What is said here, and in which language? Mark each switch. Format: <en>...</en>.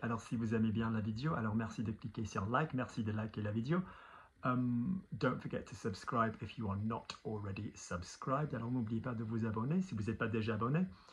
<fr>Alors, si vous aimez bien la vidéo, alors merci de cliquer sur like, merci de liker la vidéo.</fr> <en>Don't forget to subscribe if you are not already subscribed.</en> <fr>Alors, n'oubliez pas de vous abonner si vous n'êtes pas déjà abonné.</fr>